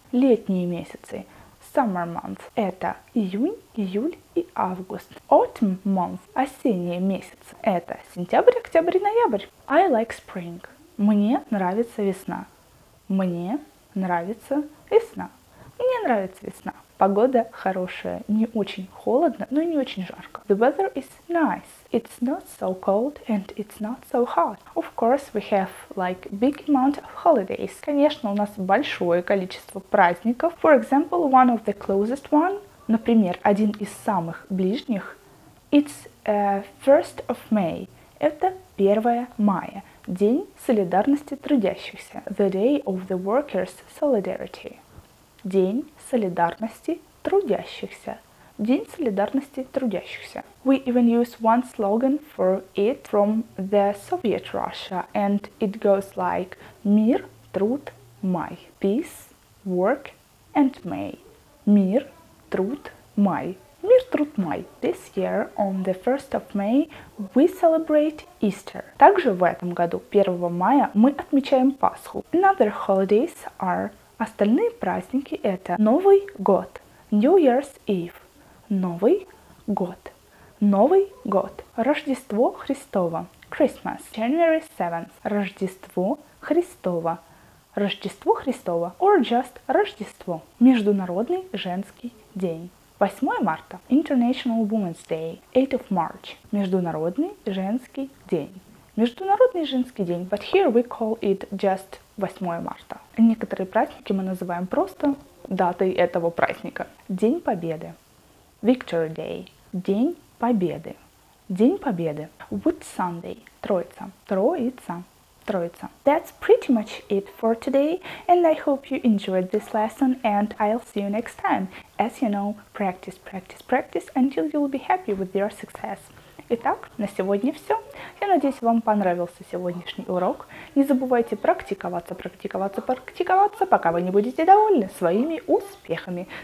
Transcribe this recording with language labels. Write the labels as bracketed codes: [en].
[ru] Летние месяцы. [en] Summer month. [ru] Это июнь, июль и август. [en] Autumn month. [ru] Осенние месяцы. Это сентябрь, октябрь, ноябрь. [en] I like spring. [ru] Мне нравится весна. Мне нравится весна. Мне нравится весна. Погода хорошая. Не очень холодно, но и не очень жарко. [en] The weather is nice. It's not so cold and it's not so hot. Of course, we have like big amount of holidays. [ru] Конечно, у нас большое количество праздников. [en] For example, one of the closest one, [ru] например, один из самых ближних, [en] it's 1st of May. [ru] Это 1 мая, день солидарности трудящихся. [en] The day of the workers' solidarity. [ru] День солидарности трудящихся. День солидарности трудящихся. [en] We even use one slogan for it from the Soviet Russia, and it goes like [ru] Мир, труд, май. [en] Peace, work and May. [ru] Мир, труд, май. Мир, труд, май. [en] This year, on the 1st of May, we celebrate Easter. [ru] Также в этом году, 1 мая, мы отмечаем Пасху. [en] Another holidays are... [ru] Остальные праздники – это Новый год, [en] New Year's Eve. [ru] Новый год. Новый год. Рождество Христово. [en] Christmas. January 7th. [ru] Рождество Христово. Рождество Христово. [en] Or just [ru] Рождество. Международный женский день. [en] 8 марта – International Women's Day, 8th of March – [ru] Международный женский день. Международный женский день, [en] but here we call it just 8 марта. [ru] Некоторые праздники мы называем просто датой этого праздника. День Победы. [en] Victory Day. [ru] День Победы. День Победы. [en] Whit Sunday. [ru] Троица. Троица. Троица. [en] That's pretty much it for today, and I hope you enjoyed this lesson, and I'll see you next time. As you know, practice, practice, practice, until you'll be happy with your success. [ru] Итак, на сегодня все. Я надеюсь, вам понравился сегодняшний урок. Не забывайте практиковаться, практиковаться, практиковаться, пока вы не будете довольны своими успехами.